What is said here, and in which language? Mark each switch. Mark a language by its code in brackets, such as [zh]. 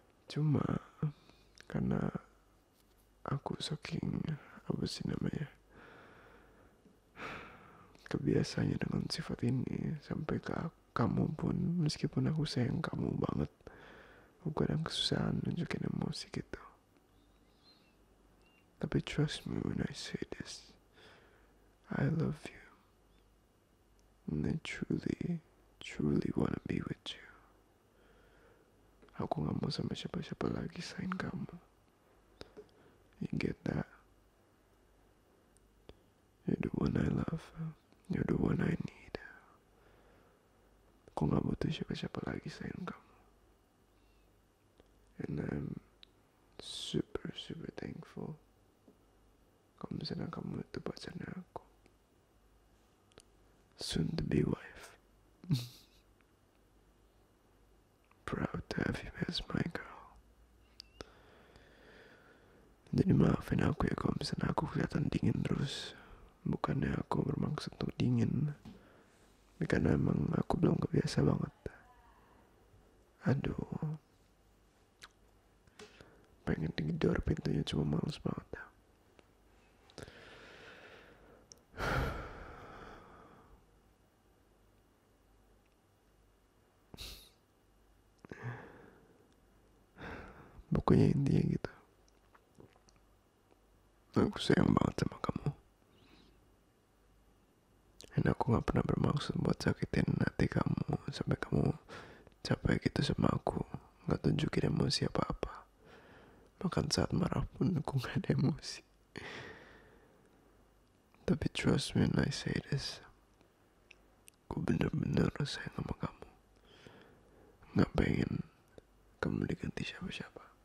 [id] Cuma karena aku saking apa sih namanya kebiasaannya dengan sifat ini sampai ke kamu pun meskipun aku sayang kamu banget aku kadang kesusahan nunjukin emosi gitu. [en] Tapi trust me when I say this, I love you and I truly truly wanna be with you. [id] Aku gak mau sama siapa-siapa lagi selain kamu. [en] You get that? You're the one I love. You're the one I need. [id] Aku gak butuh siapa-siapa lagi sayang kamu. [en] And I'm super, super thankful. [id] Kalau misalnya kamu itu pacarnya aku. [en] Soon to be wife. Proud to have you as my girl. [id] Jadi maafin aku ya kalau misalnya aku kelihatan dingin terus. Bukannya aku bermaksud untuk dingin. Karena emang aku belum kebiasa banget. Aduh. Pengen tidur pintunya cuma males banget. Bukunya intinya gitu. Aku sayang banget sama kamu. Dan aku gak pernah bermaksud buat sakitin hati kamu. Sampai kamu capek gitu sama aku. Gak tunjukin emosi apa-apa. Bahkan saat marah pun aku gak ada emosi. [en] Tapi trust me when I say this. [id] Aku bener-bener sayang sama kamu. Gak pengen kamu diganti siapa-siapa.